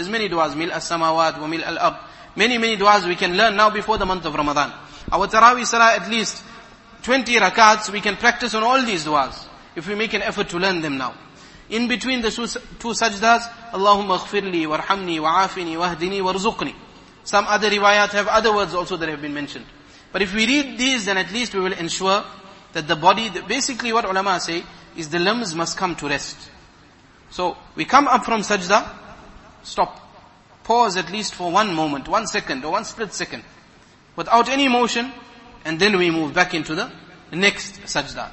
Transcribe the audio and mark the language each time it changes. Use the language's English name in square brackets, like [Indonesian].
[English] There's many du'as, [Arabic] مِلْ السَّمَوَاتِ وَمِلْ الْأَرْضِ. [English] Many du'as we can learn now before the month of Ramadan. Our Taraweeh Salah, at least 20 rakats, we can practice on all these du'as, if we make an effort to learn them now. In between the two sajdas, [Arabic] اللهم اغفر لي وارحمني وعافني واهدني وارزقني. [English] Some other riwayat have other words also that have been mentioned. But if we read these, then at least we will ensure that the body, basically what ulama say, is the limbs must come to rest. So, we come up from sajda, stop, pause at least for one moment, 1 second or 1 split second, without any motion, and then we move back into the next sajda.